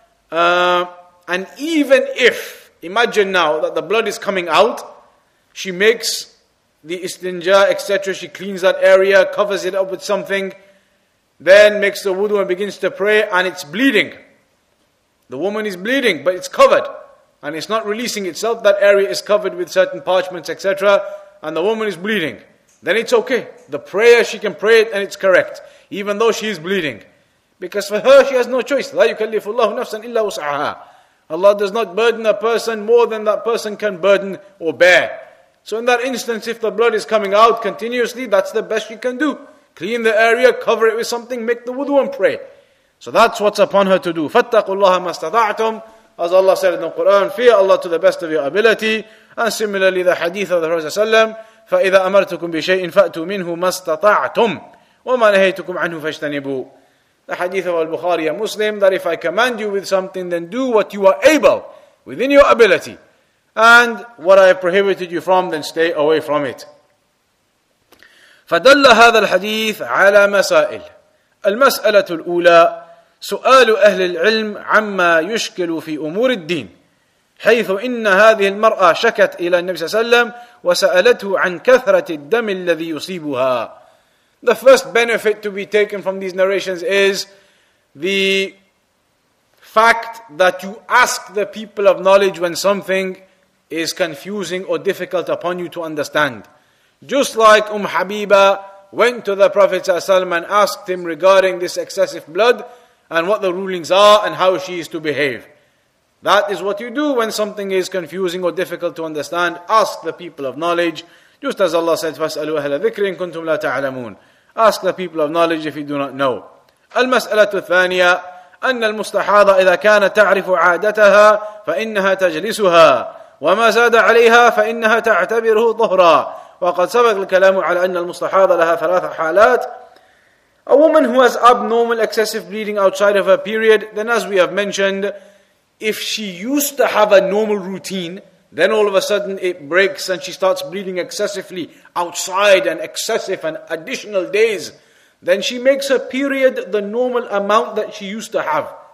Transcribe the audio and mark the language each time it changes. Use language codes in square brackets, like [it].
[en] And even if, imagine now that the blood is coming out, she makes the istinja, etc., she cleans that area, covers it up with something, then makes the wudu and begins to pray, and it's bleeding. The woman is bleeding, but it's covered, and it's not releasing itself. That area is covered with certain parchments, etc., and the woman is bleeding. Then it's okay. The prayer, she can pray it and it's correct, even though she is bleeding. Because for her, she has no choice. [ar] لا يكلف الله نفسا إلا وسعها. [en] Allah does not burden a person more than that person can burden or bear. So in that instance, if the blood is coming out continuously, that's the best she can do. Clean the area, cover it with something, make the wudu and pray. So that's what's upon her to do. [ar] فَاتَّقُوا اللَّهَ مَا اسْتَطَعْتُمْ. [en] As Allah said in the Quran, fear Allah to the best of your ability. And similarly, the hadith of the Prophet ﷺ, [ar] فَإِذَا أَمَرْتُكُمْ بِشَيْءٍ فَأْتُوا مِنْهُ مَا اسْتَطَعْتُمْ وَمَا نَهَيْتُكُمْ عَنْهُ فَاجْتَنِبُوا. [en] The hadith of Al-Bukhari, a Muslim, that if I command you with something, then do what you are able, within your ability. And what I have prohibited you from, then stay away from it. [ar] فَدَلَّ هَذَا الْحَدِيثِ عَلَى مَسَائِلِ. المسألة الأولى سؤال أهل العلم عما يشكل في أمور الدين حيث إن هذه المرأة شكت إلى النبي صلى الله عليه وسلم وسألته عن كثرة الدم الذي يصيبها. [en] The first benefit to be taken from these narrations is the fact that you ask the people of knowledge when something is confusing or difficult upon you to understand. Just like Habiba went to the Prophet ﷺ and asked him regarding this excessive blood and what the rulings are and how she is to behave. That is what you do when something is confusing or difficult to understand. Ask the people of knowledge. Just as Allah said, [ar] فَاسْأَلُوا أَهْلَ ذِكْرِ إِن كُنْتُمْ لَا تَعْلَمُونَ. [en] Ask the people of knowledge if you do not know. [ar] المسألة الثانية أن المستحاضة إذا كانت تعرف عادتها فإنها تجلسها وما زاد عليها فإنها تعتبره طهرا. وقد سبق الكلام على أن المستحاضة لها ثلاث حالات. [en] A woman who has abnormal excessive bleeding outside of her period, then as we have mentioned, if she used to have a normal routine, then all of a sudden it breaks and she starts bleeding excessively outside and excessive and additional days, then she makes her period the normal amount that she used to have.